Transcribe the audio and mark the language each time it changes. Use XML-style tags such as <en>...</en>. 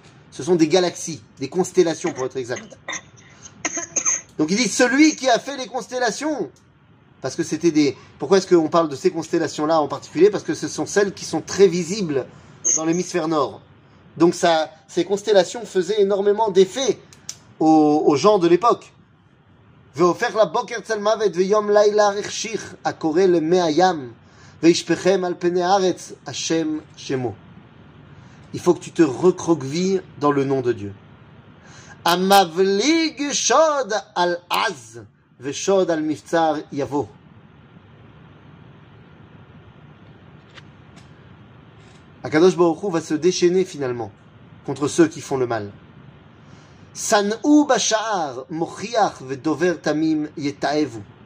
<fr>Ce sont des galaxies, des constellations pour être exact. Donc il dit, celui qui a fait les constellations, parce que c'était des... Pourquoi est-ce qu'on parle de ces constellations-là en particulier? Parce que ce sont celles qui sont très visibles dans l'hémisphère nord. Donc ça, ces constellations faisaient énormément d'effet aux gens de l'époque.</fr> <he>ואופך לבוקר צל מוות ויום לילה רכשיך הקורא למי הים וישפכם על פני הארץ השם שמו.</he> <fr>Il faut que tu te recroquevilles dans le nom de Dieu.</fr> <he>המבליג שוד על עז ושוד על מבצר יבוא.</he> <fr>הקדוש ברוך הוא va se déchaîner finalement contre ceux qui font le mal.</fr> <he>Sanou bashar mochiach vedover tamim yetaevu.</he>